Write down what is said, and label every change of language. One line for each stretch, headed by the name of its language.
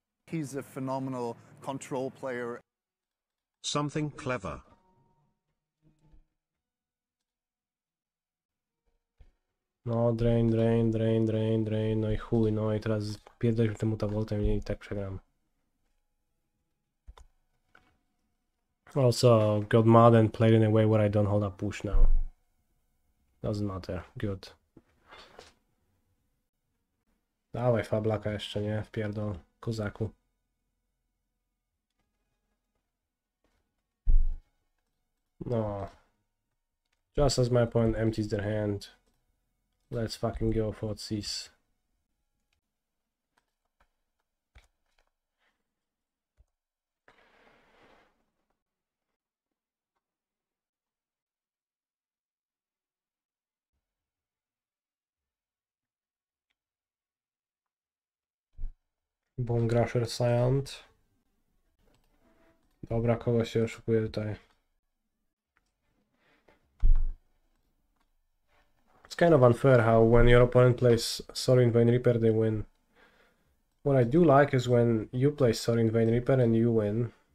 English: He's a phenomenal control player. Something clever.
Polish: No, drain, no i chuj, no i teraz pierdolę tym Mutavaultem i tak przegram.
English: Also, got mad and played in a way where I don't hold a push now. Doesn't matter. Good.
Polish: Dawaj Fablaka jeszcze, nie? Wpierdol, kozaku.
English: No. Just as my opponent empties their hand, let's fucking go for Thoughtseize. Bonecrusher Giant.
Polish: Dobra, kogo się oszukuje tutaj?
English: It's kind of unfair how when your opponent plays Sorin Vein Reaper, they win. What I do like is when you play Sorin Vein Reaper and you win.